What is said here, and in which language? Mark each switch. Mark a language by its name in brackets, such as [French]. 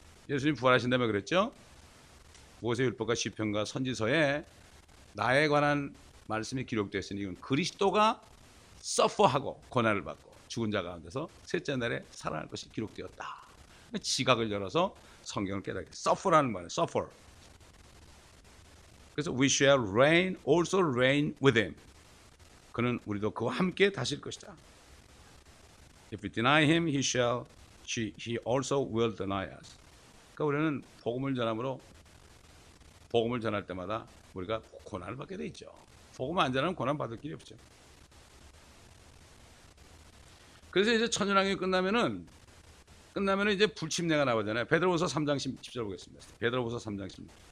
[Korean] 예수님 부활하신다며 그랬죠? 모세율법과 시편과 선지서에 나에 관한 말씀이 기록되어 있으니 이건 그리스도가 서퍼하고 고난을 받고 죽은 자 가운데서 셋째 날에 살아날 것이 기록되었다. 지각을 열어서 성경을 깨닫게. 서퍼라는 말이에요. 서퍼. [English] 그래서 we shall reign, also reign with him. [Korean] 그는 우리도 그와 함께 다실 것이다. [English] If we deny him, he also will deny us. [Korean] 그러니까 우리는 복음을 전할 때마다 우리가 고난을 받게 돼 있죠. 복음 안 전하면 고난 받을 길이 없죠. 그래서 이제 천년왕국이 끝나면은 이제 불침례가 나오잖아요. 베드로후서 3장 10절 보겠습니다. 베드로후서 3장 10절.